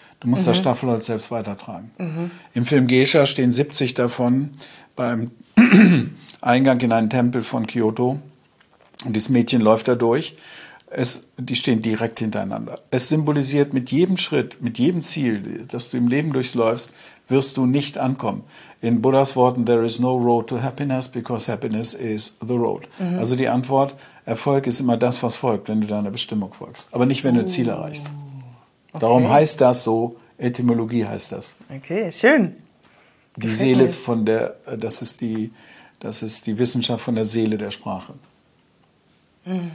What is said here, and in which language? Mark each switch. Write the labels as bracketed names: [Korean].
[German] Du musst das Staffelholz selbst weitertragen. Mhm. Im Film Geisha stehen 70 davon beim Eingang in einen Tempel von Kyoto. Und das Mädchen läuft da durch. Die stehen direkt hintereinander. Es symbolisiert, mit jedem Schritt, mit jedem Ziel, das du im Leben durchläufst, wirst du nicht ankommen. In Buddhas Worten, [English] there is no road to happiness, because happiness is the road. Mhm. [German] Also die Antwort, Erfolg ist immer das, was folgt, wenn du deiner Bestimmung folgst. Aber nicht, wenn du Ziel erreichst. Okay. Darum heißt das so, Etymologie heißt das. Okay, schön. Die Seele von der, das ist die Wissenschaft von der Seele der Sprache. Mhm.